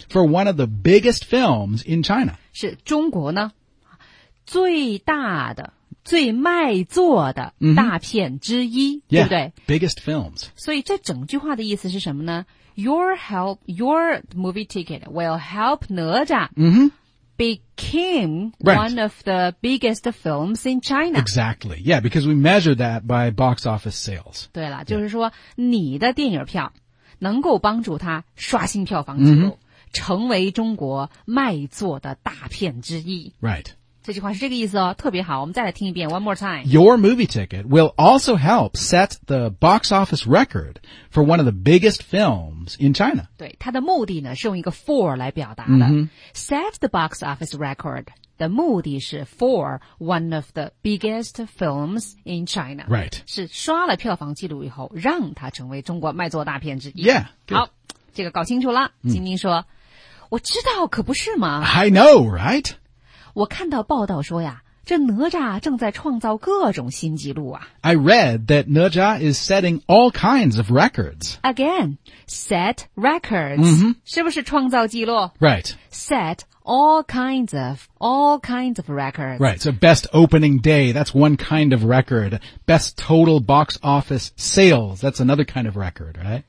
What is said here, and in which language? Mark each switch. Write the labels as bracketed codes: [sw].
[en] For one of the biggest films in China [zh] 是中国呢最大的最卖座的大片之一、 mm-hmm. 对不对 [en] Yeah Biggest films [zh] 所以这整句话的意思是什么呢 [en] Your help, your movie ticket will help [zh] 哪吒、 mm-hmm. [en] became、 right. one of the biggest films in China. Exactly. Yeah, because we measure that by box office sales. [zh] 对了、yeah. 就是说你的电影票能够帮助他刷新票房记录、 mm-hmm. 成为中国卖座的大片之一。 [en] Right. [zh] 这句话是这个意思哦特别好我们再来听一遍 [en] one more time. Your movie ticket will also help set the box office record for one of the biggest films. In China. [zh] 对它的目的呢是用一个 for 来表达的、 mm-hmm. [en] Set the box office record [zh] 的目的是 [en] for one of the biggest films in China Right [zh] 是刷了票房记录以后让它成为中国卖座大片之一 [en] Yeah、good. [zh] 好这个搞清楚了、mm. 晶晶说我知道可不是吗 [en] I know right [zh] 我看到报道说呀这哪吒正在创造各种新纪录啊 [en] I read that 哪吒 is setting all kinds of records Again, set records、 mm-hmm. [zh] 是不是创造纪录 [en] Right Set all kinds of records Right, so best opening day, that's one kind of record Best total box office sales, that's another kind of record, right?